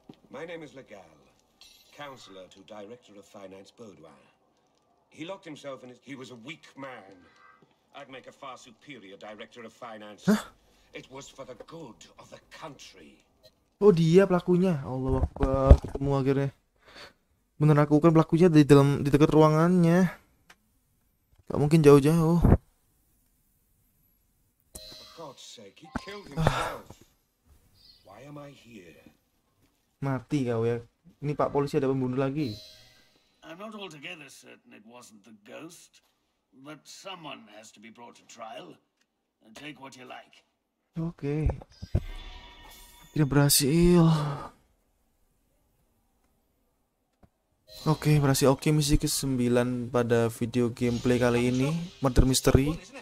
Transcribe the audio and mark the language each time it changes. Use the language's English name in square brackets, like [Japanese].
[English] My name is Legal, counselor to Director of Finance Baudouin. He locked himself in his... He was a weak man. I'd make a far superior Director of Finance. Hah? It was for the good of the country. [Indonesian] Oh, dia pelakunya. Allah, ketemu akhirnya. Bener, aku kan pelakunya di dalam, di dekat ruangannya. Gak mungkin jauh-jauh. [English] For God's sake, he killed himself. Am I here? [Indonesian] Mati kau ya. Ini Pak Polisi ada pembunuh lagi. [English] I'm not altogether certain it wasn't the ghost, but someone has to be brought to trial. And take what you like. [Indonesian] Oke. Okay. Tidak berhasil. Oke, okay, berhasil. Oke, okay, misi ke-9 pada video gameplay kali ini, Murder Mystery.